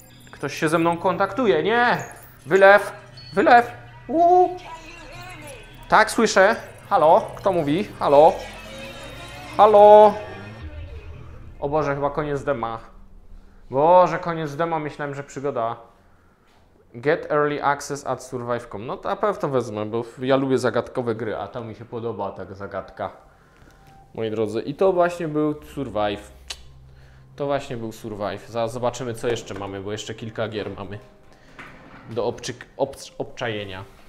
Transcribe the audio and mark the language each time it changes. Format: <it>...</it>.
<pl>Ktoś się ze mną kontaktuje, nie! Wylew! Wylew! Tak, słyszę! Halo? Kto mówi? Halo? Halo? O Boże, chyba koniec dema. Boże, koniec dema, myślałem, że przygoda.</pl> <en>Get early access at survive.com.</en> <pl>No to na pewno wezmę, bo ja lubię zagadkowe gry, a to mi się podoba, ta zagadka. Moi drodzy, i to właśnie był Survive. To właśnie był Survive. Zaraz zobaczymy, co jeszcze mamy, bo jeszcze kilka gier mamy. Do obczajenia.</pl>